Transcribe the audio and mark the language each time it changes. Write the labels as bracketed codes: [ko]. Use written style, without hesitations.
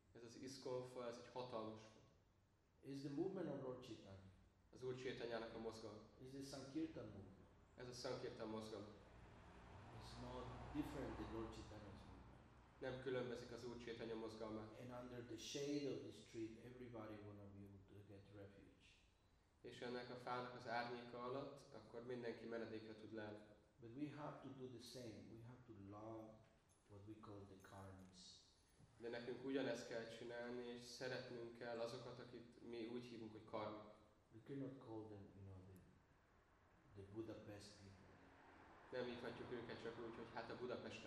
[hu] Ez az ISKCON fa, ez egy hatalmas fa. [en] Is the movement of Lord Chaitanya. [hu] Az Úr Chaitanyának a mozgalma. [en] Is the Sankirtan movement. [hu] Ez a Sankirtan mozgalma. [en] It's not different than Lord Chaitanya's movement. [hu] Nem különbözik az Úr Chaitanya mozgalma. [en] And under the shade of this tree, everybody wanna be able to get refuge. [hu] És ennek a fának az árnyéka alatt, akkor mindenki menedékre tud lelni. [en] But we have to do the same. We have to love what we call the karmis. [hu] De nekünk ugyanezt kell csinálni, és szeretnünk kell azokat, akit mi úgy hívunk, hogy karmik. [en] We cannot call them, you know, the Budapest people. [hu] Nem hívhatjuk őket csak úgy, hogy hát a budapesti